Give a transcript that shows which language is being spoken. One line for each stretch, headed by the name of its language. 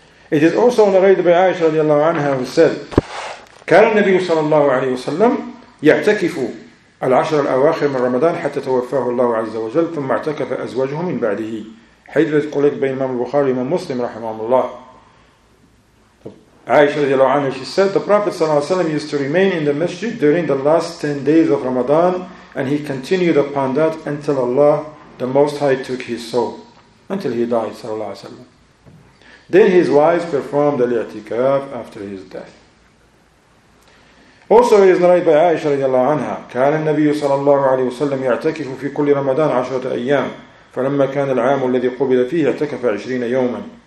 English: It is also narrated by Aisha radiallahu anha who said,
Arabic: كان النبي صلى الله عليه وسلم يعتكف العشر الأواخر من رمضان حتى توفاه الله عز وجل ثم اعتكف أزواجه من بعده. حديث قلت بين إمام البخاري وإمام مسلم رحمه الله.
English: Aisha radiallahu anha, she said, the Prophet صلى الله عليه وسلم used to remain in the masjid during the last 10 days of Ramadan, and he continued upon that until Allah, the Most High, took his soul, until he died, صلى الله عليه وسلم. Then his wives performed the i'tikaf after his death. Also it is narrated by Aisha radiallahu anha,
Arabic: كان النبي صلى الله عليه وسلم يعتكف في كل رمضان 10 أيام فلما كان العام الذي قبل فيه اعتكف 20 يوما.